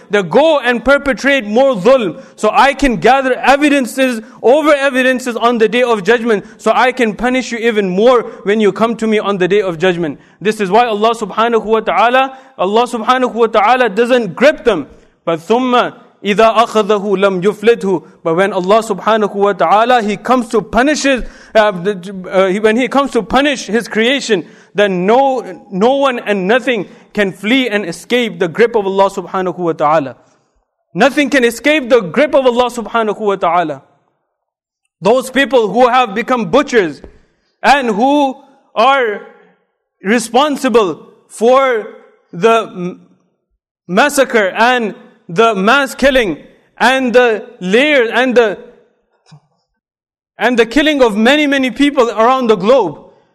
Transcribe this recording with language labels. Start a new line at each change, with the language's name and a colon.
English: That go and perpetrate more zulm, so I can gather evidences over evidences on the day of judgment, so I can punish you even more when you come to me on the day of judgment. This is why Allah subhanahu wa ta'ala doesn't grip them. But
Arabic: thumma إِذَا أَخَذَهُ لَمْ يُفْلِتْهُ.
English: But when Allah subhanahu wa ta'ala, He comes to punish his, when He comes to punish His creation, then no one and nothing can flee and escape the grip of Allah subhanahu wa ta'ala. Nothing can escape the grip of Allah subhanahu wa ta'ala. Those people who have become butchers and who are responsible for the massacre and the mass killing and the layers and the killing of many, many people around the globe.